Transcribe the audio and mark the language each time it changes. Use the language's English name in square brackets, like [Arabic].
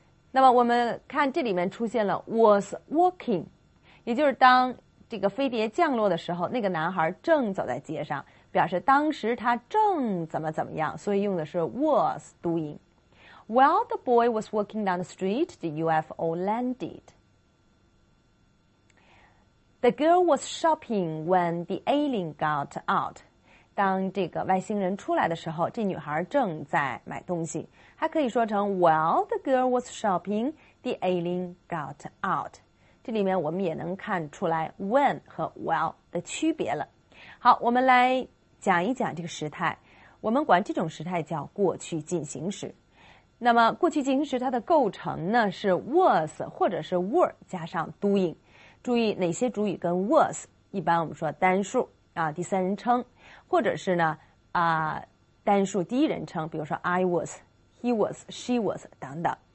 [Chinese] 那么我们看这里面出现了 was walking, 也就是当这个飞碟降落的时候，那个男孩正走在街上，表示当时他正怎么怎么样，所以用的是 was doing. [English] While the boy was walking down the street, the UFO landed. The girl was shopping when the alien got out. [Chinese] 当这个外星人出来的时候，这女孩正在买东西。还可以说成 [English] while the girl was shopping, the alien got out. [Chinese] 这里面我们也能看出来 when 和 well 的区别了。好，我们来讲一讲这个时态。我们管这种时态叫过去进行时。那么过去进行时它的构成呢是 was 或者是 were 加上 doing。注意哪些主语跟 was， 一般我们说单数啊，第三人称，或者是呢啊单数第一人称，比如说 [English] I was, he was, she was [Chinese] 等等。